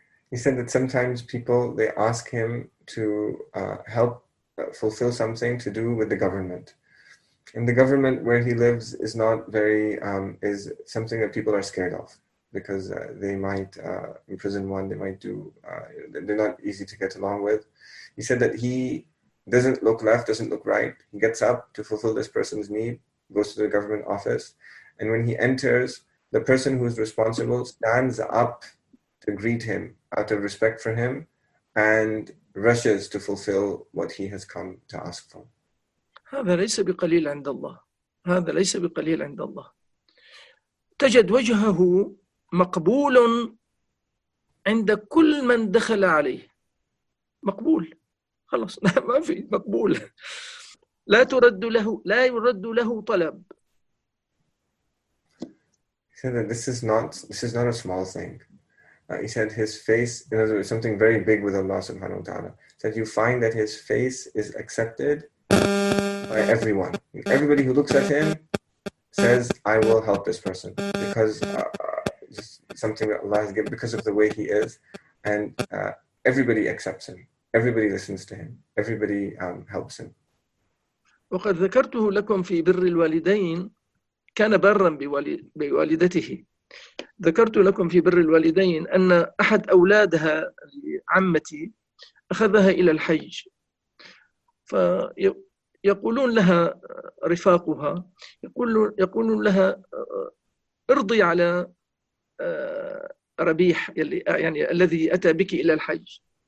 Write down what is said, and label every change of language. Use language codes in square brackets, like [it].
[en] He said that sometimes people, they ask him to help fulfill something to do with the government. And the government where he lives is not very, is something that people are scared of because they might imprison one, they might do, they're not easy to get along with. He said that he doesn't look left, doesn't look right. He gets up to fulfill this person's need, goes to the government office. And when he enters, the person who's responsible stands up to greet him out of respect for him and rushes to fulfill what he has come to ask for. [ar] هذا ليس بقليل عند الله. هذا ليس بقليل عند الله. تجد وجهه مقبول عند كل من دخل عليه. مقبول. خلاص ما في مقبول. لا يرد له طلب. [en] He said that this is not a small thing. He said his face, you know, there's something very big with Allah subhanahu wa ta'ala. He said you find that his face is accepted by everyone. Everybody who looks at him says, I will help this person because just something that Allah has given, because of the way he is. And everybody accepts him. Everybody listens to him. Everybody helps him. [ar] وقد ذكرته لكم في بر الوالدين. كان برا بوالدته. ذكرت لكم في بر الوالدين أن أحد أولادها عمتي أخذها إلى الحج. فيقولون لها رفاقها يقولون لها ارضي على ربيح يعني الذي أتى بك إلى الحج.